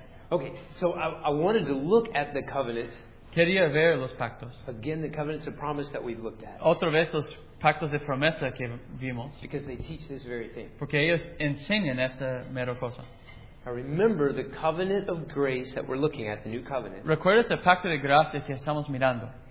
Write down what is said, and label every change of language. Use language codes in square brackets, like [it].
[en] Okay, so I wanted to look at the covenants. [es] Quería ver los pactos. [en] Again, the covenants of promise that we've looked at. [es] Otra vez los pactos de promesa que vimos. [en] Because they teach this very thing. [es] Porque ellos enseñan esta mera cosa. [en] Now remember the covenant of grace that we're looking at, the new covenant. [es] ¿Recuerdas el pacto de gracia que estamos mirando?